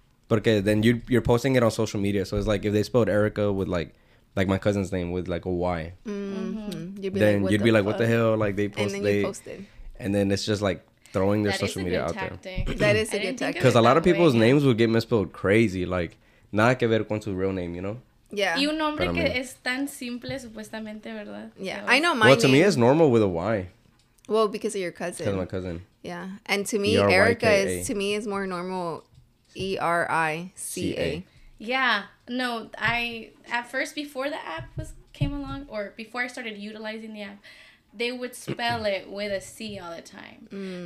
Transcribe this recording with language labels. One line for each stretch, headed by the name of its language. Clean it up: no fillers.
Spanish: Porque
English: then you're posting it on social media. So it's like if they spelled Erica with like my cousin's name with like a Y. Mm-hmm. Then what the hell? Like they post. And then you posted. And then it's just like. Throwing their social media out there. That is a good tactic. Because a lot of people's names would get misspelled crazy. Like,
Spanish: nada que ver con su
English: real name, you know? Yeah.
Spanish: Y un nombre que es tan simple, supuestamente, ¿verdad?
English: Yeah, I know my name. Well, to me, it's normal with a Y. Well, because of your cousin. Because of my cousin. Yeah. And to me, Erica is, to me, is more normal. E-R-I-C-A. Yeah. No, before I started utilizing the app, they would spell it with a C all the time. Mm.